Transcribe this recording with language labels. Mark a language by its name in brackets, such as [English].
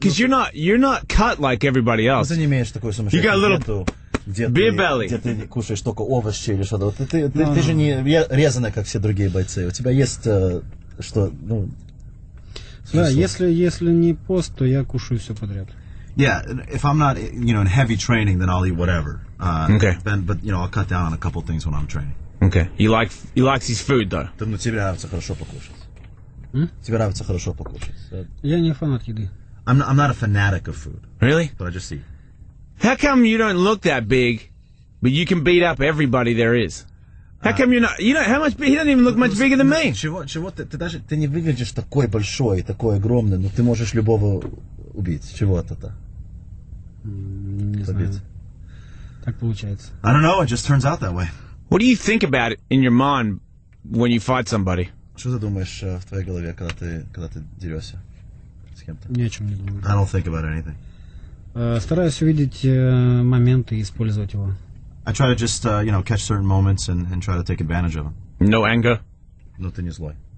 [English] Because you're not cut like everybody else. You got a little beer belly. Yeah, if I'm not, you know, in heavy training, then I'll eat whatever. Okay. Then, but, you know, I'll cut down on a couple things when I'm training. Okay. He likes his food, though. [Russian] Да, но тебе нравится хорошо покушать. Тебе нравится хорошо покушать. Я не фанат еды. [English] I'm not a fanatic of food. Really? But I just eat. How come you don't look that big, but you can beat up everybody there is? How come you're not? You know how much? He doesn't even look much bigger than me. [Russian] Чего ты даже ты не выглядишь такой большой, такой огромный, но ты можешь любого убить. Чего это? Не знаю. Так получается. [English] I don't know. It just turns out that way. What do you think about it in your mind when you fight somebody? [Russian] Что ты думаешь в твоей голове, когда ты дерешься с кем-то? Ни о чем не думаю. [English] I don't think about anything. [Russian] Стараюсь увидеть момент и использовать его. [English] I try to just catch certain moments and try to take advantage of them. No anger? [Russian] Ну, ты не злой.